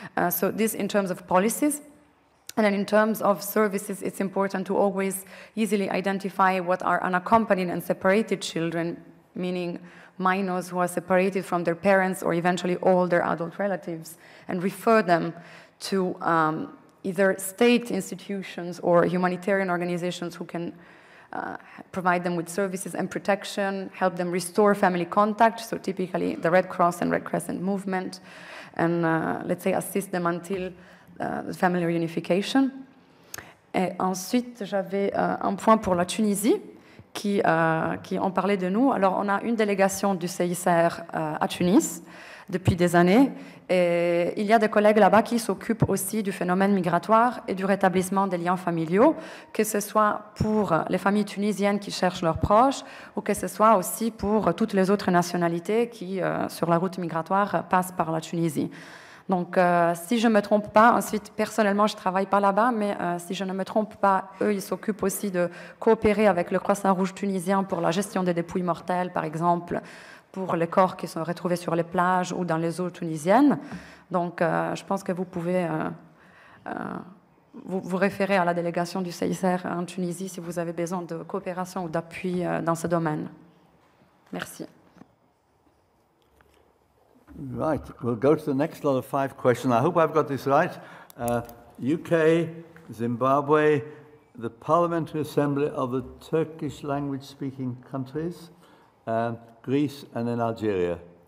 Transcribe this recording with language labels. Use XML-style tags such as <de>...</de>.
<en>So this in terms of policies. And then in terms of services, it's important to always easily identify what are unaccompanied and separated children, meaning minors who are separated from their parents or eventually all their adult relatives, and refer them to either state institutions or humanitarian organizations who can provide them with services and protection, help them restore family contact, so typically the Red Cross and Red Crescent movement, and let's say assist them until family reunification.</en> <fr>Et ensuite, j'avais un point pour la Tunisie, qui en parlait de nous. Alors, on a une délégation du CICR à Tunis depuis des années. Et il y a des collègues là-bas qui s'occupent aussi du phénomène migratoire et du rétablissement des liens familiaux, que ce soit pour les familles tunisiennes qui cherchent leurs proches ou que ce soit aussi pour toutes les autres nationalités qui, sur la route migratoire, passent par la Tunisie. Donc, si je ne me trompe pas, ensuite, personnellement, je ne travaille pas là-bas, mais si je ne me trompe pas, eux, ils s'occupent aussi de coopérer avec le Croissant-Rouge tunisien pour la gestion des dépouilles mortelles, par exemple, pour les corps qui sont retrouvés sur les plages ou dans les eaux tunisiennes. Donc, je pense que vous pouvez vous référer à la délégation du CICR en Tunisie si vous avez besoin de coopération ou d'appui dans ce domaine. Merci.</fr> <en>Right, we'll go to the next lot of five questions. I hope I've got this right. UK, Zimbabwe, the Parliamentary Assembly of the Turkish language speaking countries, Greece, and then Algeria.</en>